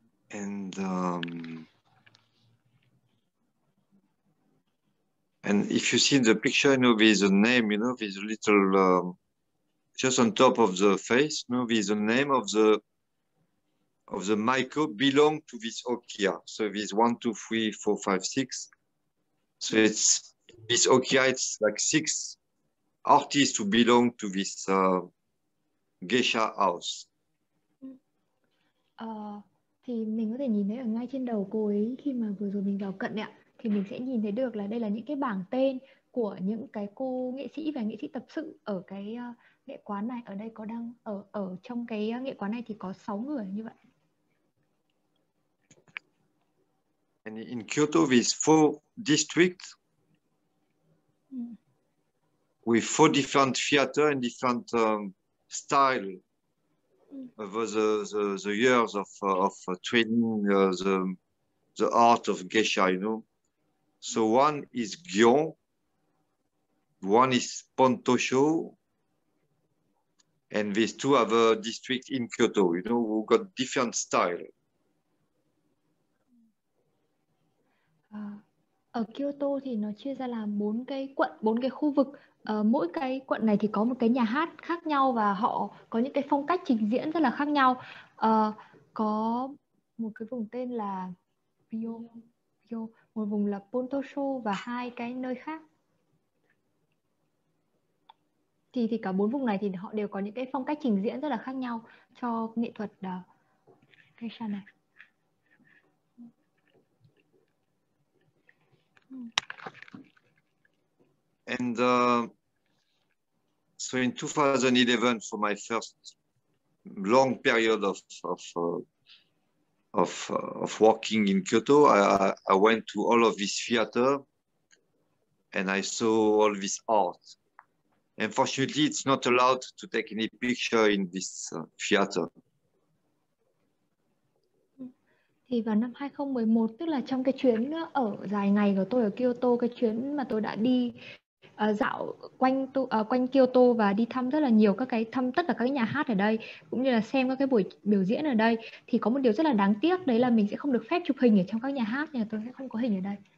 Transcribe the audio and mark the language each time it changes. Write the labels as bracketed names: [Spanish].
[English] And and if you see the picture, you know, there's a name, you know, there's a little just on top of the face, you know, there's a name of the Maiko belong to this Okiya. So there's 1, 2, 3, 4, 5, 6. So it's this Okiya, it's like 6 artists who belong to this geisha house. [Vietnamese] Thì mình có thể nhìn thấy ở ngay trên đầu cô ấy khi mà vừa rồi mình vào cận ạ. Thì mình sẽ nhìn thấy được là đây là những cái bảng tên của những cái cô nghệ sĩ và nghệ sĩ tập sự ở cái nghệ quán này. Ở đây có đang ở trong cái nghệ quán này thì có 6 người như vậy. [English] And in Kyoto with 4 districts with 4 different theater and different style over the years of training the art of geisha, you know. So one is Gion, one is Pontosho, and these two have a district in Kyoto, you know, who got different style. [Vietnamese] Ở Kyoto thì nó chia ra làm 4 cái quận, 4 cái khu vực. Mỗi cái quận này thì có một cái nhà hát khác nhau và họ có những cái phong cách trình diễn rất là khác nhau. Có một cái vùng tên là Bio, một vùng là Pontosho và hai cái nơi khác. Thì cả 4 vùng này thì họ đều có những cái phong cách trình diễn rất là khác nhau cho nghệ thuật geisha này. [English] And so in 2011, for my first long period of working in Kyoto, I went to all of this theater and I saw all this art. Unfortunately, it's not allowed to take any picture in this theater. [Vietnamese] Thì vào năm 2011, tức là trong cái chuyến ở dài ngày của tôi ở Kyoto, cái chuyến mà tôi đã đi dạo quanh quanh Kyoto và đi thăm rất là nhiều các cái, thăm tất cả các nhà hát ở đây cũng như là xem các cái buổi biểu diễn ở đây, thì có một điều rất là đáng tiếc, đấy là mình sẽ không được phép chụp hình ở trong các nhà hát, nhà tôi sẽ không có hình ở đây.